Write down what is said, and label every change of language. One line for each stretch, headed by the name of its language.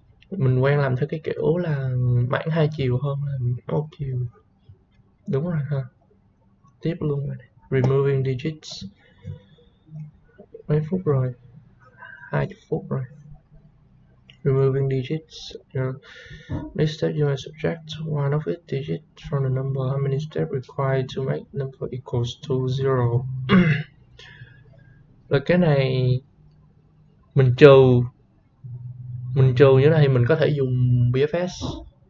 Vietnamese: Mình quen làm theo cái kiểu là mảng hai chiều hơn là một chiều, đúng rồi ha. Tiếp luôn rồi. Removing digits mấy phút rồi, 20 phút rồi.
English: Removing digits, this step you must subtract one of its digits from the number. How many steps required to make number equals to zero?
Vietnamese: Là cái này mình trừ như này, mình có thể dùng BFS.